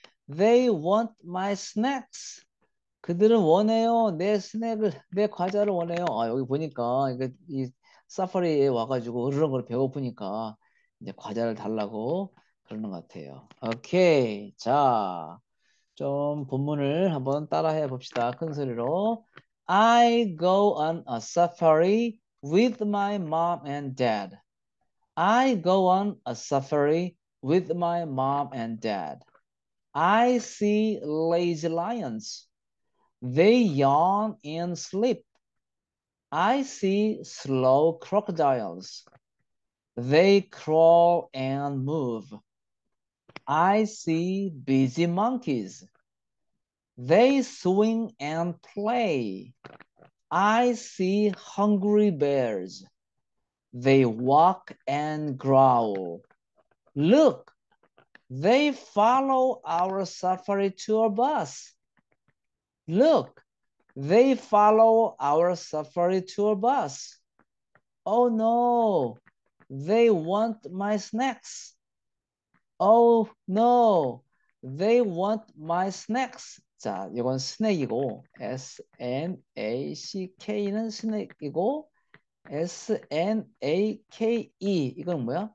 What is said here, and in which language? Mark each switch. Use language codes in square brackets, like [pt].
[en] They want my snacks. [ko] 그들은 원해요. 내 스낵을, 내 과자를 원해요. 아, 여기 보니까, 이 사파리에 와가지고, 으르렁거리 배고프니까, 이제 과자를 달라고 그러는 것 같아요. 오케이. 자, 좀 본문을 한번 따라 해봅시다. 큰 소리로. [en] I go on a safari with my mom and dad. I go on a safari with my mom and dad. I see lazy lions. They yawn and sleep. I see slow crocodiles. They crawl and move. I see busy monkeys. They swing and play. I see hungry bears. They walk and growl. Look, they follow our safari tour bus. Look, they follow our safari tour bus. Oh no, they want my snacks. Oh no, they want my snacks. [ko] 자, 이건 snake이고, snack는 snake이고, snake 이건 뭐야?